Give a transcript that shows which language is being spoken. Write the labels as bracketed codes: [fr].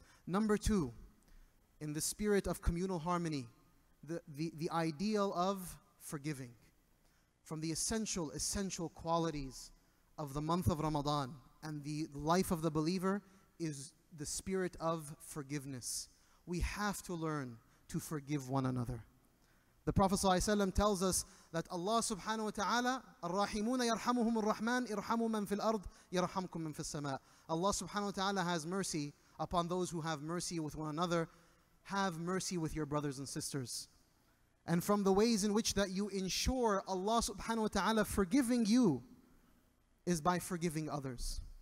[en] Number two, in the spirit of communal harmony, the ideal of forgiving. From the essential qualities of the month of Ramadan and the life of the believer is the spirit of forgiveness. We have to learn to forgive one another. The Prophet ﷺ tells us that Allah subhanahu wa ta'ala, [ar] الرَّاحِمُونَ يَرْحَمُهُمُ الرَّحْمَنُ اِرْحَمُوا مَنْ فِي الْأَرْضِ يَرْحَمْكُمْ مَنْ فِي السَّمَاءِ. [en] Allah subhanahu wa ta'ala has mercy upon those who have mercy with one another. Have mercy with your brothers and sisters. And from the ways in which that you ensure Allah subhanahu wa ta'ala forgiving you is by forgiving others.